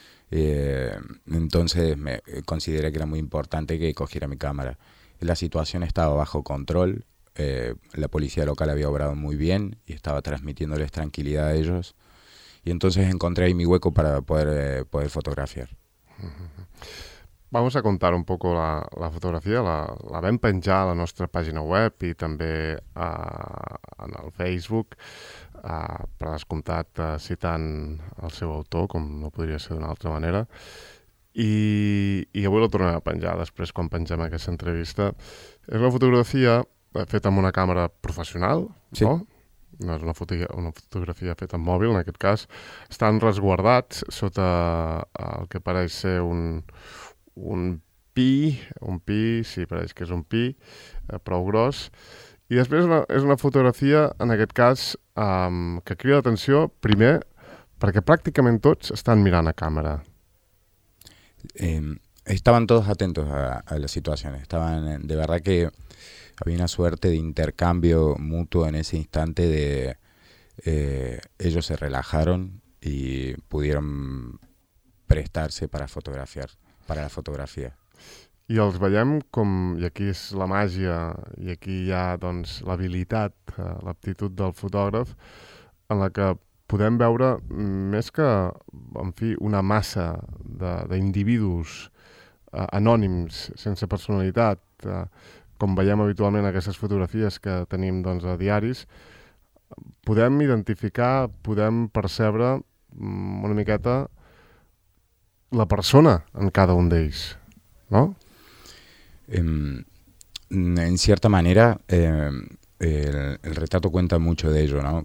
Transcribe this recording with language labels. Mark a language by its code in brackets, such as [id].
[es] Entonces me consideré que era muy importante que cogiera mi cámara. La situación estaba bajo control. La policía local había obrado muy bien y estaba transmitiéndoles tranquilidad a ellos, y entonces encontré ahí mi hueco para poder fotografiar. Vamos a contar un poco la fotografia. [ca] La vam penjar a la nostra pàgina web i també en el Facebook, per descomptat citant el seu autor, com no podria ser d'una altra manera, i avui la tornem a penjar després quan pengem aquesta entrevista. És una fotografia feta amb una càmera professional, sí. No és una fotografia feta amb mòbil, en aquest cas. Estan resguardats sota el que pareix ser un pi, sí, pareix que és un pi, prou gros. I després és una fotografia, en aquest cas, que crida l'atenció, primer, perquè pràcticament tots estan mirant a càmera. Estaven tots atentos a la situació. Estaven, de veritat que... [es] Había una suerte de intercambio mutuo en ese instante de ellos se relajaron y pudieron prestarse para la fotografía. [ca] I els veiem com, i aquí és la màgia, i aquí hi ha doncs, l'habilitat, l'aptitud del fotògraf, en la que podem veure més que, en fi, una massa d'individus anònims, sense personalitat, com veiem habitualment aquestes fotografies que tenim doncs, a diaris, podem identificar, podem percebre una miqueta la persona en cada un d'ells, no? [es] En cierta manera, el retrato cuenta mucho de ello, ¿no?